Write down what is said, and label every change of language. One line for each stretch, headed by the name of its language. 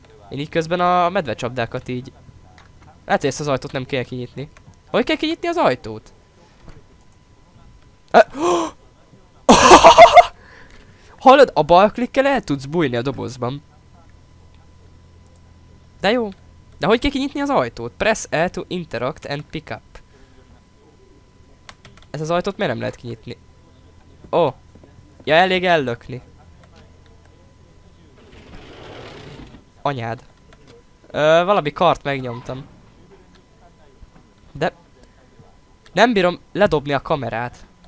Hungarian: Én így közben a medvecsapdákat így... Lehet, hogy ezt az ajtót nem kell kinyitni. Hogy kell kinyitni az ajtót? Hallod? A bal klikkel el tudsz bújni a dobozban. De jó. De hogy kell kinyitni az ajtót?
English: Press L to interact and pick up.
Hungarian: Ez az ajtót miért nem lehet kinyitni? Ó. Oh. Ja, elég ellökni. Anyád. Valami kart megnyomtam. De... Nem bírom ledobni a kamerát.